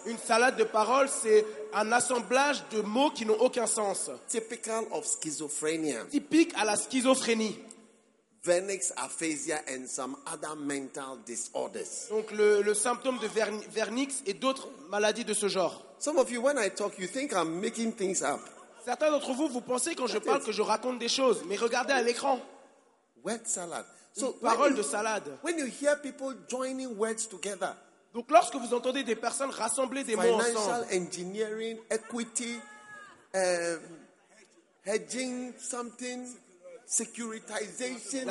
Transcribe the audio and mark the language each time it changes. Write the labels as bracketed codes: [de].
[fr] Une salade de paroles, c'est un assemblage de mots qui n'ont aucun sens. [en] Typical of schizophrenia. [fr] Typique à la schizophrénie. [en] Vernix aphasia and some other mental disorders. [fr] Donc le symptôme de vernix et d'autres maladies de ce genre. [en] Some of you, when I talk, you think I'm making things up. [fr] Certains d'entre vous, vous pensez quand je parle que je raconte des choses, mais regardez à l'écran. [en] Word salad. [fr] So parole de salade. [en] When you hear people joining words together. [fr] Donc lorsque vous entendez des personnes rassembler des mots ensemble. [en] Financial engineering, equity, hedging something, securitization.